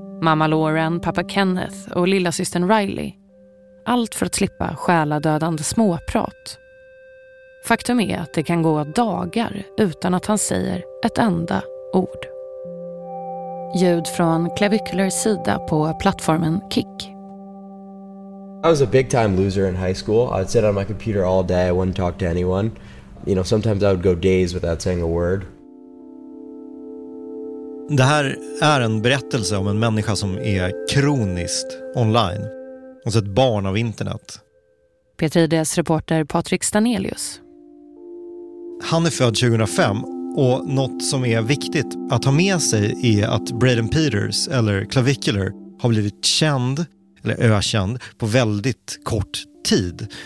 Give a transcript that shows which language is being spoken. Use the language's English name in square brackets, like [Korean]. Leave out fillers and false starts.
[Swedish] Mamma Lauren, pappa Kenneth och lilla systern Riley. Allt för att slippa själadödande småprat. Faktum är att det kan gå dagar utan att han säger ett enda ord. Ljud från Clavicular's sida på plattformen Kick. [English] I was a big time loser in high school. I'd sit on my computer all day. I wouldn't talk to anyone. You know, sometimes I would go days without saying a word. [Swedish] Det här är en berättelse om en människa som är kroniskt online. Alltså ett barn av internet. P3Ds reporter Patrik Stanelius. Han är född 2005 och något som är viktigt att ha med sig är att Braden Peters, eller Clavicular, har blivit känd, eller ökänd, på väldigt kort tid.